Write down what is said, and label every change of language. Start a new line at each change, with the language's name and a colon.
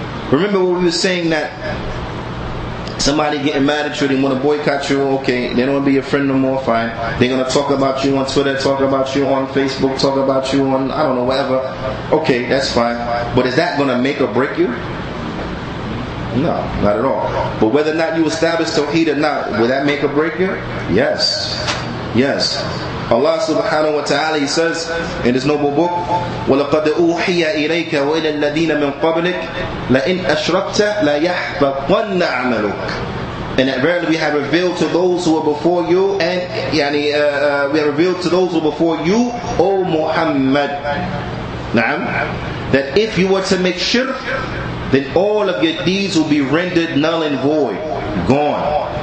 English: Remember what we were saying, that somebody getting mad at you, they want to boycott you, okay, they don't want to be your friend no more, fine. They're going to talk about you on Twitter, talk about you on Facebook, talk about you on, I don't know, whatever. Okay, that's fine. But is that going to make or break you? No, not at all. But whether or not you establish Tawheed or not, will that make or break you? Yes. Yes.
Arabic: Allah subhanahu wa ta'ala,
English: He says in His noble book,
Arabic: وَلَقَدْ أُوحِيَ إِلَيْكَ وَإِلَى الَّذِينَ مِنْ قَبْلِكَ لَإِنْ أَشْرَبْتَ لَيَحْبَطَنَّ عَمَلُكَ.
English: And verily we have revealed to those who were before you, and we have revealed to those who were before you, O Muhammad. Na'am. That if you were to make shirk, then all of your deeds will be rendered null and void, gone.